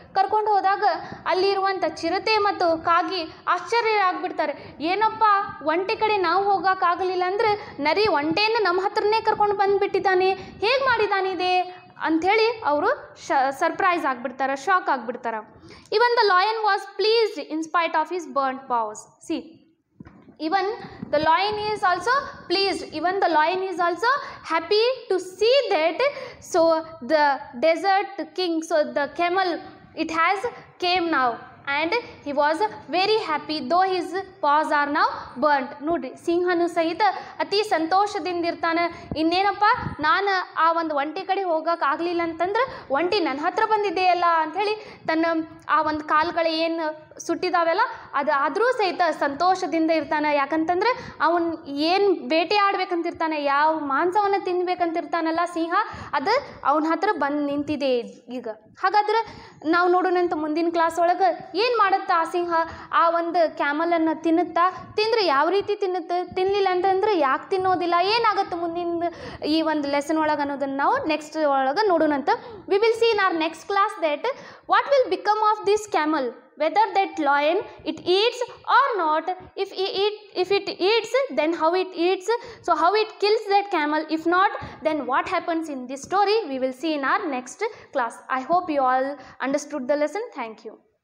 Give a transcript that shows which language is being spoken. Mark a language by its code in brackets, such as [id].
[kn] ಕರ್ಕೊಂಡು ಹೋದಾಗ ಅಲ್ಲಿರುವಂಥ ಚಿರತೆ ಮತ್ತು ಕಾಗಿ ಆಶ್ಚರ್ಯ ಆಗಿಬಿಡ್ತಾರೆ, ಏನಪ್ಪ ಒಂಟಿ ಕಡೆ ನಾವು ಹೋಗೋಕ್ಕಾಗಲಿಲ್ಲ ಅಂದರೆ, ನರಿ ಒಂಟೆಯನ್ನು ನಮ್ಮ ಹತ್ರನೇ ಕರ್ಕೊಂಡು ಬಂದುಬಿಟ್ಟಿದ್ದಾನೆ, ಹೇಗೆ ಮಾಡಿದ್ದಾನೆ ಇದೆ ಅಂಥೇಳಿ ಅವರು ಸರ್ಪ್ರೈಸ್ ಆಗಿಬಿಡ್ತಾರೆ, ಶಾಕ್ ಆಗಿಬಿಡ್ತಾರೆ. [en] Even the lion was pleased in spite of his burn paws. ಸಿ Even the lion is also pleased. Even the lion is also happy to see that. So the desert king, so the camel, it has came now. And he was very happy, though his paws are now burnt. [kn] ನೋಡ್ರಿ, ಸಿಂಹನು ಸಹಿತ ಅತಿ ಸಂತೋಷದಿಂದ ಇರ್ತಾನೆ. ಇನ್ನೇನಪ್ಪ, ನಾನು ಆ ಒಂದು ಒಂಟಿ ಕಡೆ ಹೋಗೋಕ್ಕಾಗಲಿಲ್ಲ ಅಂತಂದ್ರೆ ಒಂಟಿ ನನ್ನ ಹತ್ರ ಬಂದಿದೆಯಲ್ಲ ಅಂಥೇಳಿ ತನ್ನ ಆ ಒಂದು ಕಾಲುಗಳು ಏನು ಸುಟ್ಟಿದಾವೆಲ್ಲ ಅದು ಆದರೂ ಸಹಿತ ಸಂತೋಷದಿಂದ ಇರ್ತಾನೆ. ಯಾಕಂತಂದರೆ ಅವನು ಏನು ಬೇಟೆ ಆಡಬೇಕಂತಿರ್ತಾನೆ, ಯಾವ ಮಾಂಸವನ್ನು ತಿನ್ನಬೇಕಂತಿರ್ತಾನಲ್ಲ ಸಿಂಹ, ಅದು ಅವನ ಹತ್ರ ಬಂದು ನಿಂತಿದೆ ಈಗ. ಹಾಗಾದ್ರೆ ನಾವು ನೋಡೋಣಂತ ಮುಂದಿನ ಕ್ಲಾಸ್ ಒಳಗೆ ಏನು ಮಾಡುತ್ತೆ ಆ ಸಿಂಹ ಆ ಒಂದು ಕ್ಯಾಮಲನ್ನು ತಿನ್ನುತ್ತಾ. ತಿಂದರೆ ಯಾವ ರೀತಿ ತಿನ್ನುತ್ತೆ, ತಿನ್ನಲಿಲ್ಲ ಅಂತಂದರೆ ಯಾಕೆ ತಿನ್ನೋದಿಲ್ಲ, ಏನಾಗುತ್ತೆ ಮುಂದಿನ ಈ ಒಂದು ಲೆಸನ್ ಒಳಗೆ ಅನ್ನೋದನ್ನು ನಾವು ನೆಕ್ಸ್ಟ್ ಒಳಗೆ ನೋಡೋಣಂತ. [en] We will see in our next class that what will become of this camel, whether that lion it eats or not. If it eats then how it eats, so how it kills that camel. If not, then what happens in this story, we will see in our next class. I hope you all understood the lesson. Thank you.